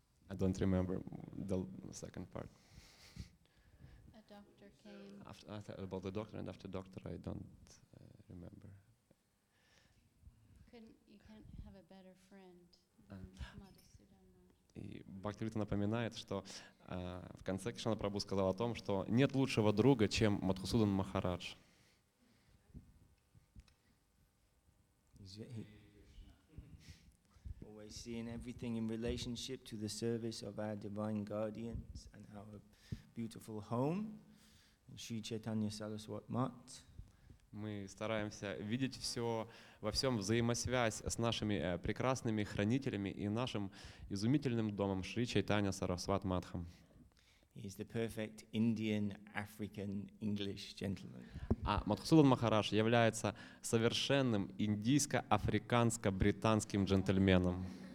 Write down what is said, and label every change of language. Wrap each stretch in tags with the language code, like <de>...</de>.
<en>I don't remember the second part. A doctor came. After I thought about the doctor, and after doctor, I don't remember. You can't have a better friend than Madhusudan Maharaj.</en> <ru>И Бхактивита напоминает, что в конце Кришна Прабху сказал о том, что нет лучшего друга, чем Мадхусудан Махарадж.</ru> <en>Seeing everything in relationship to the service of our divine guardians and our beautiful home, Sri Chaitanya Saraswat Mat.</en> <ru>Мы стараемся видеть все во всем взаимосвязь с нашими прекрасными хранителями и нашим изумительным домом Шри Чайтанья Сарасват Матхам.</ru> <en>He is the perfect Indian African English gentleman.</en> <ru>А Мадхусудан Махарадж является совершенным индийско-африканско-британским джентльменом.</ru>